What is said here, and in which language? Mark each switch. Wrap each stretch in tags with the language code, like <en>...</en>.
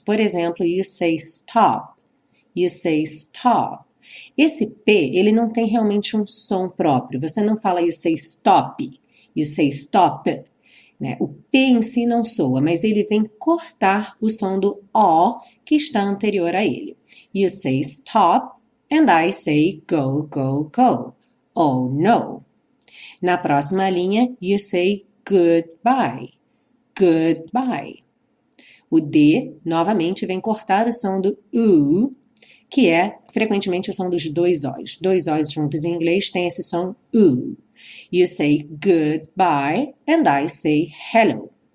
<pt>Por exemplo,</pt> <en>you say stop. You say stop.</en> <pt>Esse P, ele não tem realmente um som próprio. Você não fala</pt> <en>you say stop, you say stop,</en> <pt>né? O P em si não soa, mas ele vem cortar o som do O que está anterior a ele.</pt> <en>You say stop and I say go, go, go. Oh, no.</en> <pt>Na próxima linha,</pt> <en>you say goodbye.</en> <pt>Goodbye. O D, novamente, vem cortar o som do U, que é frequentemente o som dos dois Os. Dois Os juntos em inglês tem esse som U.</pt> <en>You say goodbye and I say hello.</en>